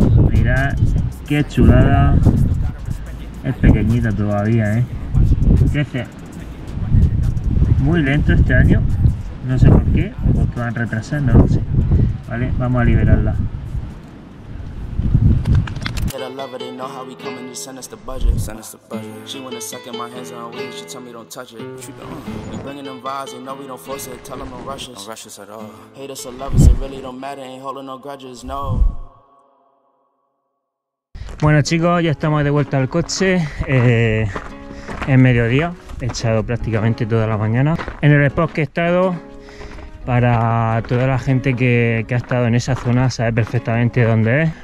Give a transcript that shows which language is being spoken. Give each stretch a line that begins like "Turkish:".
Spanish: Mirad qué chulada. Es pequeñita todavía, ¿eh? Crece muy lento este año. No sé por qué, porque van retrasando, no sé. Vale, vamos a liberarla.
English: Lover, they know how we coming, just send us the budget. Send us the budget. She wanna suck in my hands on weed, she tell me don't touch it. We bringing them vibes, they know we don't force it. Tell them no rushes. No rushes at all. Hate us or love us, it really don't matter. Ain't holding no grudges, no.
Spanish: Bueno chicos, ya estamos de vuelta al coche. Es mediodía, he echado prácticamente toda la mañana. En el spot que he estado, para toda la gente que ha estado en esa zona, sabe perfectamente dónde es.